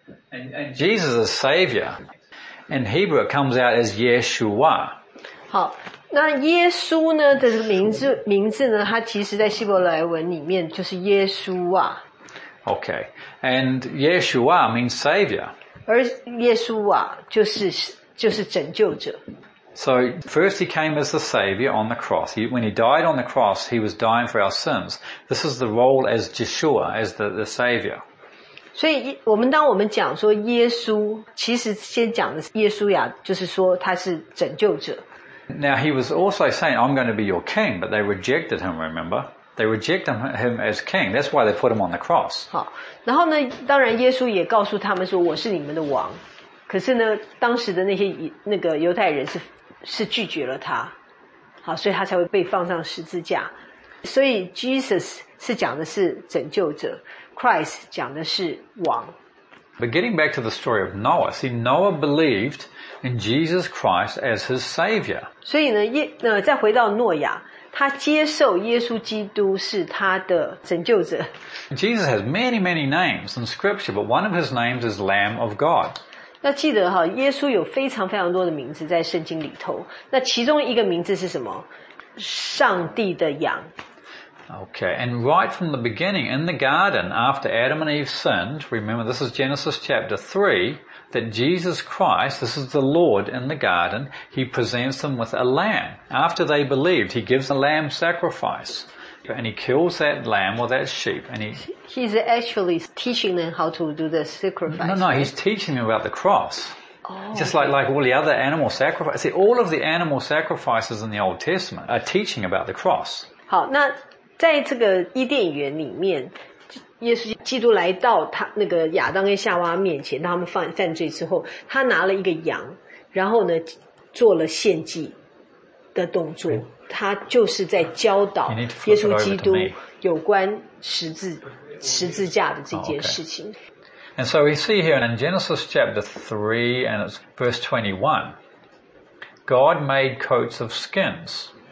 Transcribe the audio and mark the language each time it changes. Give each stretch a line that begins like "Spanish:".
English: And Jesus is Savior. And Hebrew comes out as Yeshua.
Chinese: 好，那耶稣呢的名字呢，它其实在希伯来文里面就是耶稣啊。
English: Okay. And Yeshua means Savior.
Chinese: 而耶稣啊，就是拯救者。
English: So first he came as the Savior on the cross. When he died on the cross, he was dying for our sins. This is the role as Yeshua, as the Savior.
Chinese: 所以我们当我们讲说耶稣，其实先讲的是耶稣亚，就是说他是拯救者。
English: Now he was also saying, I'm going to be your king, but they rejected him, remember? They rejected him as king. That's why they put him on the cross.
Chinese: 好，然后呢，当然耶稣也告诉他们说，我是你们的王。可是呢，当时的那个犹太人是拒绝了他，好，所以他才会被放上十字架。所以 Jesus 是讲的是拯救者 ，Christ 讲的是王。
English: But getting back to the story of Noah, see, Noah believed in Jesus Christ as his savior.
Chinese: 所以呢，再回到诺亚，他接受耶稣基督是他的拯救者。
English: Jesus has many, many names in Scripture, but one of his names is Lamb of God.
Chinese: 那记得哈，耶稣有非常非常多的名字在圣经里头。那其中一个名字是什么？上帝的羊。
English: Okay, and right from the beginning in the garden after Adam and Eve sinned, remember this is Genesis chapter 3, that Jesus Christ, this is the Lord in the garden, he presents them with a lamb. After they believed, he gives a lamb sacrifice. And he kills that lamb or that sheep. And he's actually teaching them how to do the sacrifice. No, he's teaching them about the cross. Oh, just like all the other animal sacrifices. See, all of the animal sacrifices in the Old Testament are teaching about the cross.
Chinese: 好，那在这个伊甸园里面，耶稣基督来到他那个亚当跟夏娃面前，他们犯罪之后，他拿了一个羊，然后呢做了献祭的动作。
English: Okay.
Chinese: 他就是在教导耶稣基督有关十字架的这件事情。
English: Oh, okay. And so we see here in Genesis chapter 3 and it's verse 21, God made coats of skins.